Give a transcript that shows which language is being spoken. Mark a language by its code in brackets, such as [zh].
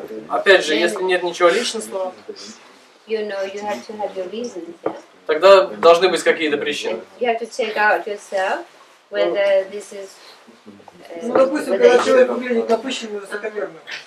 [ru] Опять же, если нет ничего личностного, [en] you know, you have to have your reasons. Yeah? [ru] Тогда должны быть какие-то причины. [en] You have to check out yourself whether this is. [ru] Ну, допустим, когда человек выглядит напыщенным и высокомерным.